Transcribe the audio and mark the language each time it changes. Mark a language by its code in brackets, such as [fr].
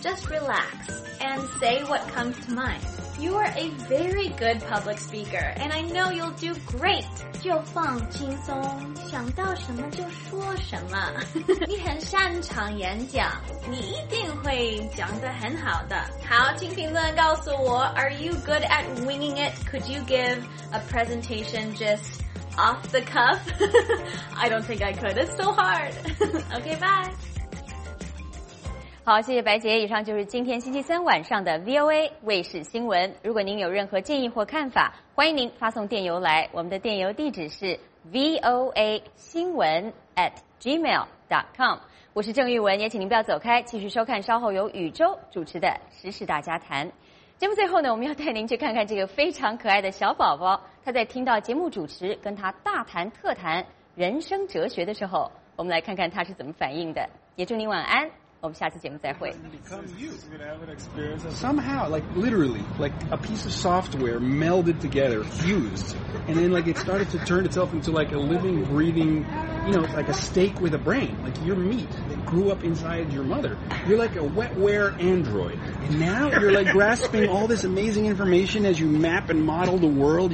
[en] Just relax and say what comes to mind. You are a very good public speaker and I know you'll do great. [zh] 就放轻松，想到什么就说什么。你很擅长演讲，你一定会讲得很好的。好，请评论告诉我， [en] Are you good at winging it? Could you give a presentation just off the cuff? I don't think I could, it's so hard. Okay, bye. [zh] 好，谢谢白洁。以上就是今天星期三晚上的 VOA 卫视新闻。如果您有任何建议或看法，欢迎您发送电邮来。我们的电邮地址是 voa.gmail.com。我是郑玉文，也请您不要走开，继续收看稍后由宇宙主持的《时事大家谈》。节目最后呢，我们要带您去看看这个非常可爱的小宝宝，他在听到节目主持跟他大谈特谈人生哲学的时候，我们来看看他是怎么反应的。也祝您晚安。我们下期节目再会。 [en] Somehow, like literally, like a piece of software melded together, fused, and then like it started to turn itself into like a living, breathing, you know, like a steak with a brain, like your meat that grew up inside your mother. You're like a wetware android, and now you're like grasping all this amazing information as you map and model the world.